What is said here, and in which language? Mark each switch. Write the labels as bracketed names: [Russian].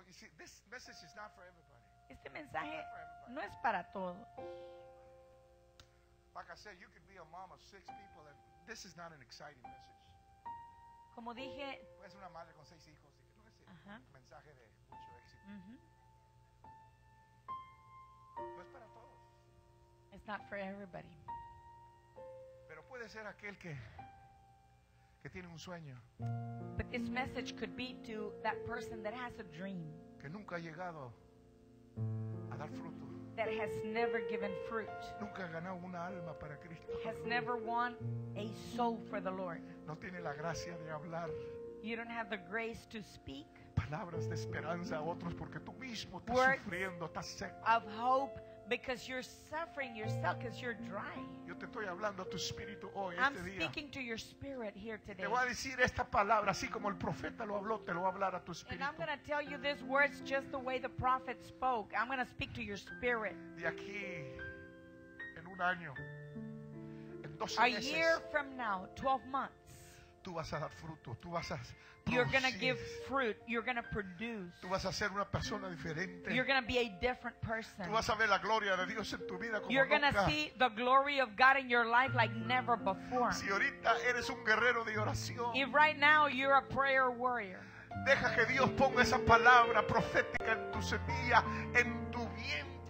[English] You see, this message is not for everybody. [Spanish] Este mensaje no es para todos. [English] Like I said, you could be a mom of six people, and this is not an exciting message. [Spanish] Como dije, es una madre con seis hijos, y que no es un mensaje de mucho éxito. No es para todos. [English] It's not for everybody. [Spanish] Pero puede ser aquel que tiene un sueño. [English] But this message could be to that person that has a dream. [Spanish] Que nunca ha llegado a dar fruto. [English] That has never given fruit. [Spanish] Nunca ha ganado una alma para Cristo. [English] Has never won a soul for the Lord. [Spanish] No tiene la gracia de hablar. [English] You don't have the grace to speak. [Spanish] Palabras de esperanza a otros porque tú mismo estás sufriendo, estás seco. [English] Of hope because you're suffering yourself because you're dry. [Spanish] Yo te estoy hablando a tu espíritu hoy, [English] I'm [Spanish] este [English] speaking [Spanish] día. [English] To your spirit here today. [Spanish] Te voy a decir esta palabra así como el profeta lo habló, te lo voy a hablar a tu espíritu. [English] And I'm going to tell you these words just the way the prophet spoke. I'm going to speak to your spirit. [Spanish] De aquí en un año, en 12 [English] a [Spanish] meses, [English] year from now, 12 months, [Spanish] tú vas a dar fruto, tú vas a [English] producir. You're going to give fruit, you're going to produce. [Spanish] Tú vas a ser una persona diferente. [English] You're going to be a different person. [Spanish] Tú vas a ver la gloria de Dios en tu vida como [English] you're [Spanish] nunca. [English] You're going to see the glory of God in your life like never before. [Spanish] Si ahorita eres un guerrero de oración. [English] If right now you're a prayer warrior. [Spanish] Deja que Dios ponga esa palabra profética en tu semilla, en tu vientre.